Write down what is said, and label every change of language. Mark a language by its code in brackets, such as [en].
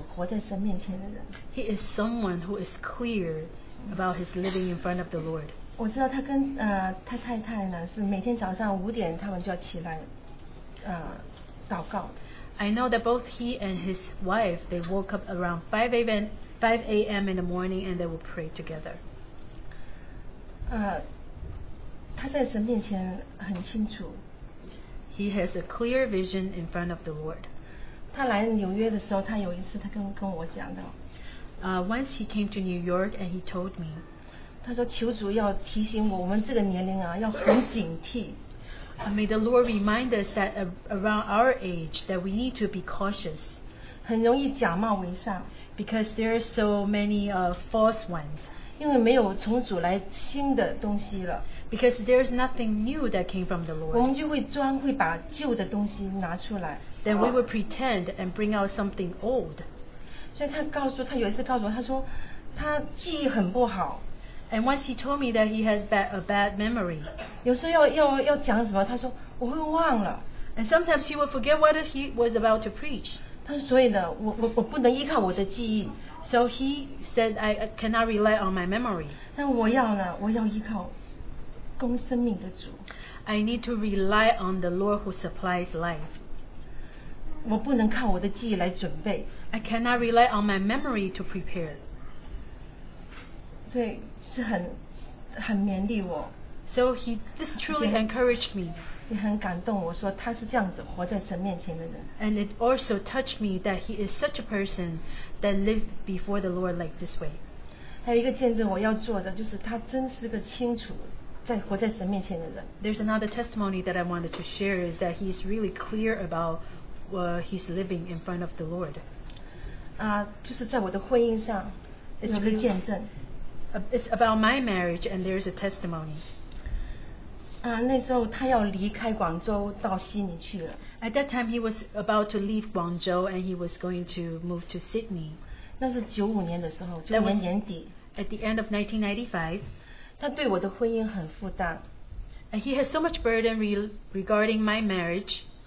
[en] He is someone who is clear about his living in front of the Lord. [zh] 我知道他跟, 他太太呢, 是每天早上5点他们就要起来, [en] I know that both he and his wife, they woke up around 5 a.m. in the morning and they will pray together. [zh] 他在神面前很清楚, [en] he has a clear vision in front of the Lord. [zh] 他来纽约的时候, 他有一次他跟我讲到, [en] once he came to New York and he told me, [zh] 他说求主要提醒我, 我们这个年龄啊, 要很警惕, [en] may the Lord remind us that around our age that we need to be cautious. [zh] 很容易假冒为上, [en] because there are so many false ones. [zh] 因为没有从主来新的东西了, [en] because there is nothing new that came from the Lord. [zh] 我们就会装会把旧的东西拿出来, [en] then we will pretend and bring out something old. [zh] 所以他告诉,他有一次告诉我,他说, 他记忆很不好, [en] and once he told me that he has a bad memory. [zh] 有时候要讲什么, 他说, 我会忘了, [en] and sometimes he would forget what he was about to preach. [zh] 他说,所以呢, 我不能依靠我的记忆, [en] so he said, I cannot rely on my memory. [zh] 但我要呢, 我要依靠供生命的主, [en] I need to rely on the Lord who supplies life. [zh] 我不能靠我的记忆来准备, [en] I cannot rely on my memory to prepare. [zh] 所以是很勉励我, [en] so he this truly [zh] 也, [en] encouraged me. [zh] 也很感动我说, [en] and it also touched me that he is such a person that lived before the Lord like this way. [zh] 还有一个见证我要做的就是他真是个清楚在活在神面前的人, [en] there's another testimony that I wanted to share, is that he is really clear about he's living in front of the Lord. [zh] 就是在我的婚姻上, [en] it's, really, it's about my marriage, and there's a testimony. [zh] 那时候他要离开广州到悉尼去了, [en] at that time he was about to leave Guangzhou and he was going to move to Sydney. [zh] 那是95年的时候, 95年年底, [en] at the end of 1995. [zh] 他对我的婚姻很负担, [en] and he has so much burden regarding my marriage.